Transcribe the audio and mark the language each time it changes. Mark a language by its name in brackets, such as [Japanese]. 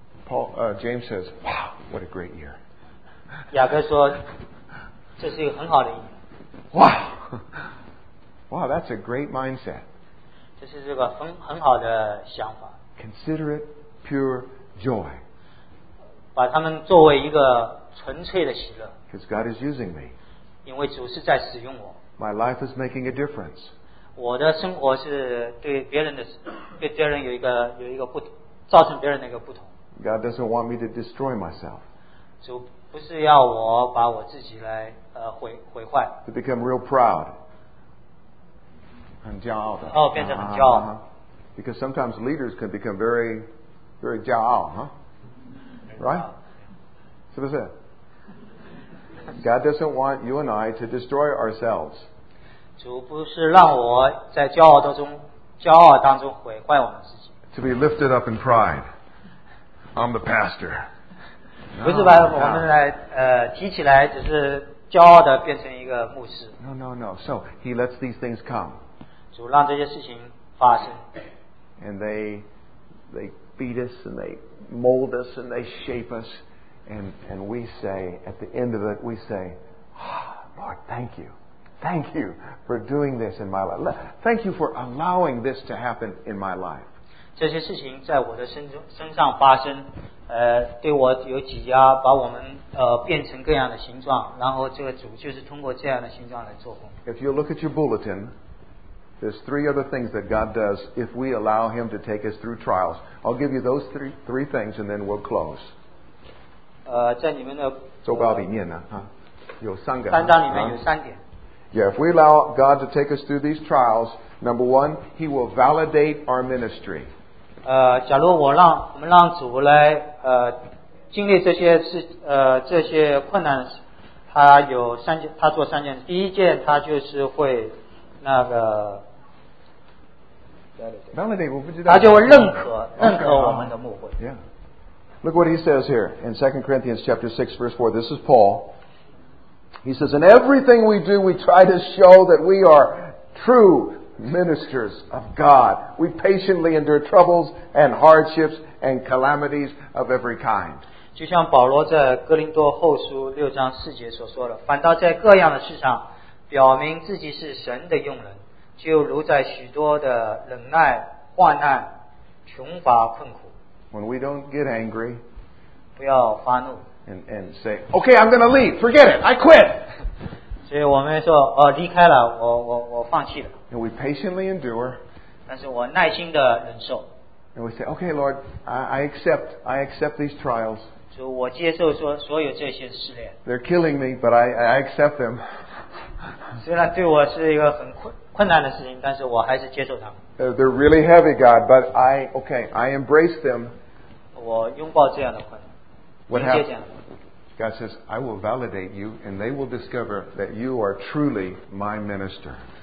[English] Paul, James says, wow, what a great year. [Chinese] 雅各说这是一个很好的一年。 [English] Wow, that's a great mindset. [Chinese] 这是这个很好的想法。 [English] Consider it pure joy. [Chinese] 把他们作为一个纯粹的喜乐。 [English] Because God is using me. [Chinese] 因为主是在使用我。 [English] My life is making a difference. [Chinese] 我的生活是对别人有一个不同，造成别人的一个不同。 [English] God doesn't want me to destroy myself. [Chinese] 主不是要我把我自己来毁坏。 [English] To become real proud. [Chinese] 很骄傲的。哦，变成很骄傲。 [English] Because sometimes leaders can become very, very 骄傲, huh? Right? [Chinese] 是不是? [English] God doesn't want you and I to destroy ourselves. [Chinese] 主不是让我在骄傲当中毁坏我们自己。 [English] To be lifted up in pride. I'm the pastor. [Chinese] 不是把我们来提起来，只是骄傲的变成一个牧师。 [English] No. So he lets these things come. [Chinese] 主让这些事情发生。 [English] And they beat us and they mold us and they shape us, and we say at the end of it, we say, Lord, thank you for doing this in my life. Thank you for allowing this to happen in my life. [Chinese] 这些事情在我的身上发生，对我有挤压，把我们变成各样的形状，然后这个主就是通过这样的形状来做工。 [English] If you look at your bulletin, there's three other things that God does if we allow Him to take us through trials. I'll give you those three things, and then we'll close. [Chinese] 在你们的周报里面呢，有三个，三章里面有三点。 [English] Yeah, if we allow God to take us through these trials, number one, He will validate our ministry. [Chinese] 假如我们让主来经历这些困难，他有三件，他做三件。第一件，他就是会那个 validate， 我不知道，他就会认可我们的牧会。 [English] Yeah, look what he says here in 2 Corinthians chapter 6 verse 4. This is Paul. He says, in everything we do, we try to show that we are true ministers of God. We patiently endure troubles and hardships and calamities of every kind. [Chinese] 就像保罗在哥林多后书六章四节所说的，反倒在各样的事上，表明自己是神的用人，就如在许多的忍耐、患难、穷乏、困苦。 [English] When we don't get angry, [Chinese] 不要发怒。 [English] And say, okay, I'm going to leave. Forget it. I quit. [Chinese] 所以我们说，离开了，我放弃了。 [English] And we patiently endure. [Chinese] 但是我耐心的忍受。 [English] And we say, okay, Lord, I accept these trials. [Chinese] 主，我接受所有这些试炼。 [English] They're killing me, but I accept them. [Chinese] 虽然对我是一个很困难的事情，但是我还是接受它们。 [English] They're really heavy, God, but I embrace them. [Chinese] 我拥抱这样的困难。 [English] What happens? God says, I will validate you and they will discover that you are truly my minister.